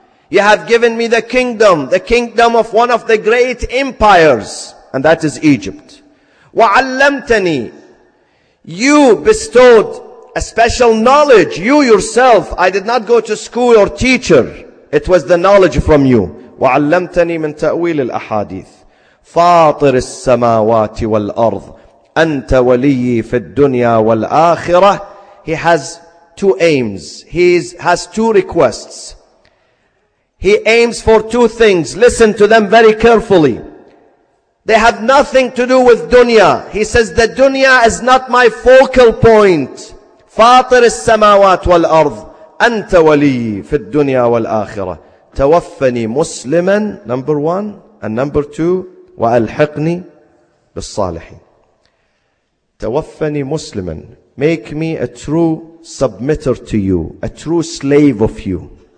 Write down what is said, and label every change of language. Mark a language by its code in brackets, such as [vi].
[en] You have given me the kingdom of one of the great empires, and that is Egypt. [ar] وَعَلَّمْتَنِي. [en] You bestowed a special knowledge, you yourself. I did not go to school or teacher. It was the knowledge from you. [ar] وعلمتني من تأويل الأحاديث. فاطر السماوات والأرض. أنت ولي في الدنيا والآخرة. [en] He has two aims. He has two requests. He aims for two things. Listen to them very carefully. They have nothing to do with dunya. He says, the dunya is not my focal point. [ar] فاطر السماوات والأرض. أنت ولي في الدنيا والآخرة. توفني مسلما, [en] number one. And number two, [ar] وألحقني بالصالحين. توفني مسلما. [en] Make me a true submitter to you, a true slave of you.